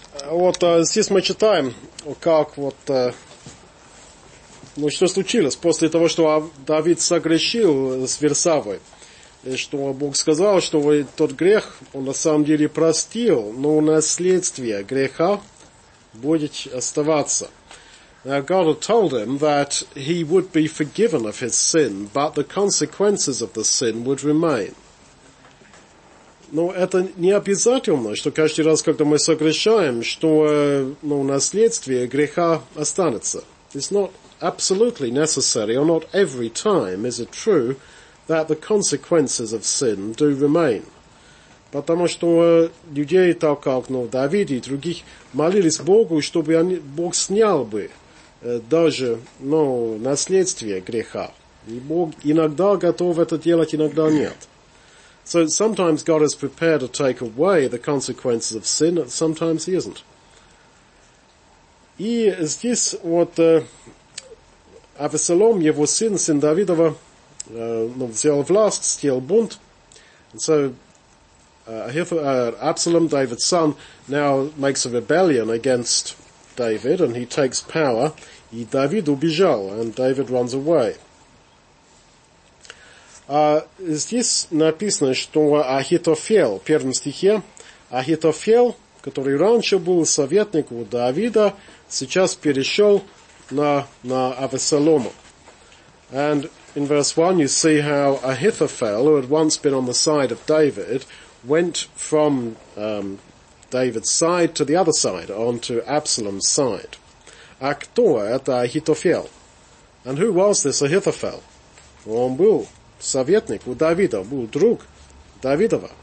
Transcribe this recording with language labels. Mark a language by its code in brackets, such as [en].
[ru] Вот здесь мы читаем, как вот, ну что случилось после того, что Давид согрешил с Версавой, и что Бог сказал, что тот грех он на самом деле простил, но наследствие греха будет оставаться. [en] Now God had told him that he would be forgiven of his sin, but the consequences of the sin would remain. [ru] Но это не обязательно, что каждый раз, когда мы согрешаем, что ну, наследствие греха останется. [en] It's not absolutely necessary, or not every time, is it true, that the consequences of sin do remain. [ru] Потому что людей, так как ну, Давид и других, молились Богу, чтобы они, Бог снял бы даже ну, наследствие греха. И Бог иногда готов это делать, иногда нет. [en] So sometimes God is prepared to take away the consequences of sin, and sometimes he isn't. [ru] И здесь вот Авессалом, его сын, сын Давидова, ну, взял власть, стел бунт. [en] And so Absalom, David's son, now makes a rebellion against David, and he takes power. [ru] И Давид убежал, [en] and David runs away. [ru] Здесь написано, что Ахитофел, в первом стихе, Ахитофел, который раньше был советник у Давида, сейчас перешел на Авессалома. [en] And in verse 1 you see how Ahithophel, who had once been on the side of David, went from David's side to the other side, onto Absalom's side. [ru] А кто это Ахитофел? [en] And who was this Ahithophel? [ru] Он был советник у Давида, был друг Давидова.